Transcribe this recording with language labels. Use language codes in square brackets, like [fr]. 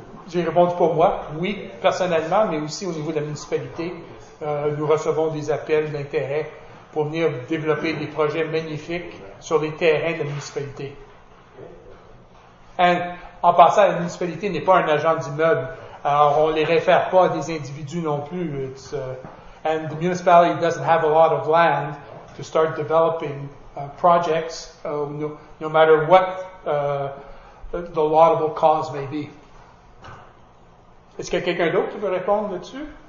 [fr] J'ai répondu pour moi, oui, personnellement, mais aussi au niveau de la municipalité, nous recevons des appels d'intérêt pour venir développer des projets magnifiques sur les terrains de la municipalité. Et en passant, la municipalité n'est pas un agent d'immeuble. Alors, on ne les réfère pas à des individus non plus. [en] It's, and the municipality doesn't have a lot of land to start developing projects, no matter what the laudable cause may be. [fr] Est-ce qu'il y a quelqu'un d'autre qui veut répondre là-dessus?